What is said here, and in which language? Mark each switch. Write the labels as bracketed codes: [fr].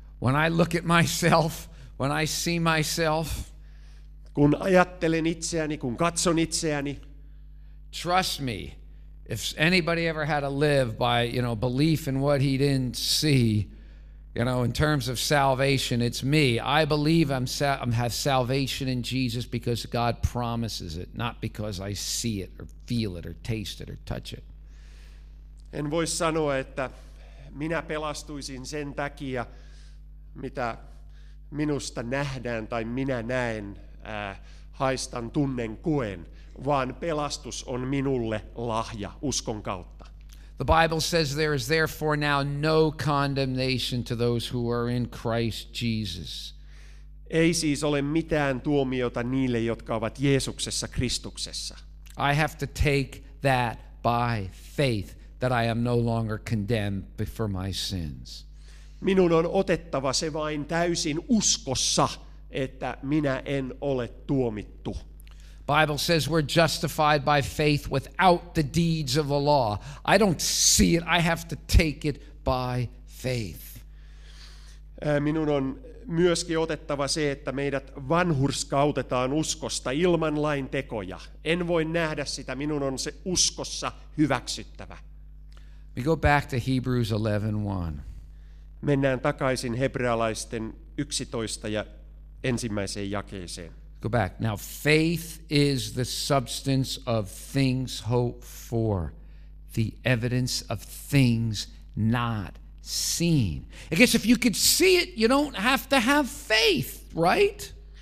[en] When I look at myself, when I see myself, [fi] kun ajattelen itseäni, kun katson itseäni, [en] trust me, if anybody ever had to live by, you know, belief in what he didn't see, you know, in terms of salvation, it's me. I believe I have salvation in Jesus because God promises it, not because I see it or feel it or taste it or touch it. [fi] En voi sanoa, että minä pelastuisin sen takia, mitä minusta nähdään tai minä näen, haistan, tunnen, koen, vaan pelastus on minulle lahja uskon kautta. [en] The Bible says there is therefore now no condemnation to those who are in Christ Jesus. [fi] Ei siis ole mitään tuomiota niille, jotka ovat Jeesuksessa Kristuksessa. [en] I have to take that by faith. That I am no longer condemned for my sins. [fi] Minun on otettava se vain täysin uskossa, että minä en ole tuomittu. [en] Bible says we're justified by faith without the deeds of the law. I don't see it, I have to take it by faith. [fi] Minun on myöskin otettava se, että meidät vanhurskautetaan uskosta ilman lain tekoja. En voi nähdä sitä, minun on se uskossa hyväksyttävä. [en] We go back to Hebrews 11:1. [fi] Mennään takaisin hebrealaisten 11 ja ensimmäiseen jakeeseen. [en] Go back. Now, faith is the substance of things hoped for, the evidence of things not seen. I guess if you could see it, you don't have to have faith, right?